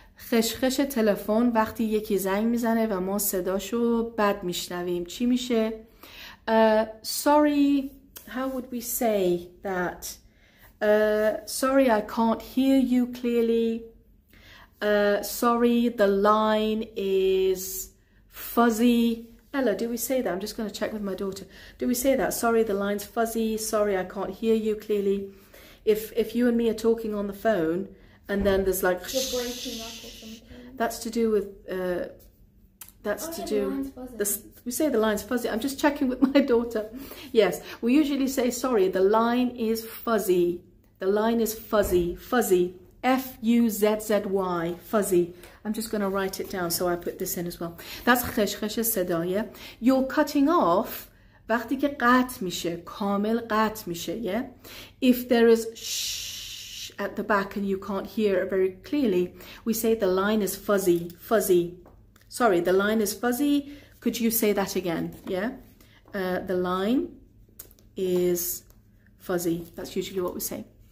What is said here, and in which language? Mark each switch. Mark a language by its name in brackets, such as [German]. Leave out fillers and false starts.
[Persian] خشخش تلفن وقتی یکی زنگ میزنه و ما صداشو بد میشنویم. چی میشه؟ [English] Sorry, how would we say that? Sorry, I can't hear you clearly. Sorry, the line is fuzzy. Ella, do we say that? I'm just going to check with my daughter. Do we say that? Sorry, the line's fuzzy. Sorry, I can't hear you clearly. If you and me are talking on the phone and then there's like... You're breaking up or something. That's to do with... We say the line's fuzzy. I'm just checking with my daughter. Yes, we usually say, sorry, the line is fuzzy. The line is fuzzy. Fuzzy. F-U-Z-Z-Y. Fuzzy. I'm just going to write it down, so I put this in as well. That's [Persian] خشخش صدا, [English] yeah? You're cutting off [Persian] وقتی که قطع میشه, کامل قطع میشه, [English] yeah? If there is shh at the back and you can't hear it very clearly, we say the line is fuzzy, fuzzy. Sorry, the line is fuzzy. Could you say that again, yeah? The line is fuzzy. That's usually what we say.